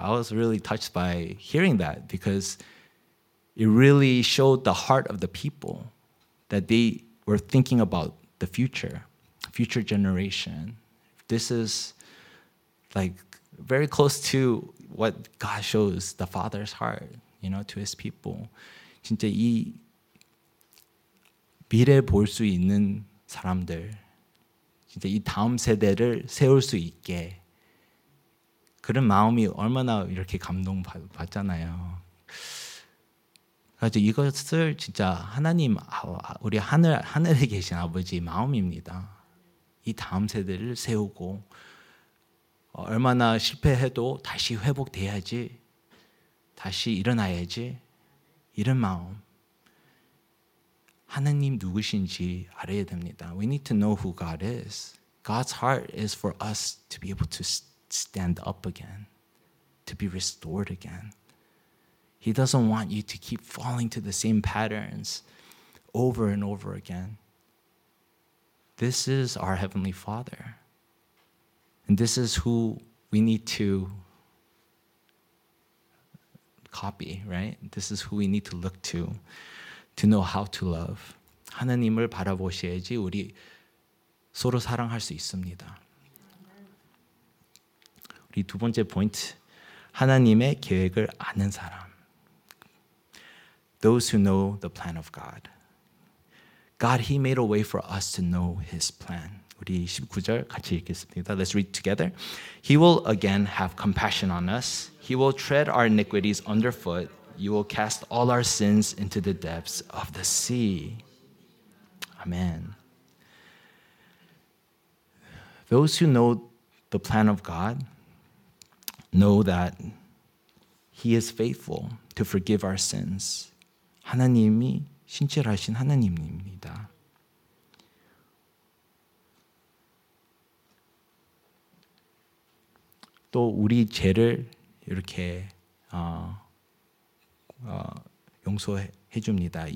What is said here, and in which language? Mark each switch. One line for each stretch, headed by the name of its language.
English: I was really touched by hearing that because it really showed the heart of the people that they were thinking about the future. Future generation. This is like very close to what God shows the Father's heart, you know, to His people.
Korean: 진짜 이 미래 볼 수 있는 사람들, 진짜 이 다음 세대를 세울 수 있게 그런 마음이 얼마나 이렇게 감동받잖아요. 그래서 이것을 진짜 하나님, 우리 하늘에 계신 아버지 마음입니다. 이 다음 세대를 세우고 얼마나 실패해도 다시 회복돼야지 다시 일어나야지 이런 마음 하느님 누구신지 알아야 됩니다.
English: We need to know who God is. God's heart is for us to be able to stand up again, to be restored again. He doesn't want you to keep falling to the same patterns over and over again. This is our Heavenly Father. And this is who we need to copy, right? This is who we need to look to know how to love.
Korean: 하나님을 바라보셔야지 우리 서로 사랑할 수 있습니다. 우리 두 번째 포인트, 하나님의 계획을 아는 사람.
English: Those who know the plan of God. God, He made a way for us to know His plan.
Korean: 우리 19절 같이 읽겠습니다.
English: Let's read together. He will again have compassion on us. He will tread our iniquities underfoot. You will cast all our sins into the depths of the sea. Amen. Those who know the plan of God know that He is faithful to forgive our sins.
Korean: 하나님이 신실하신 하나님입니다. 또 우리 죄를 이렇게 용서해 줍니다.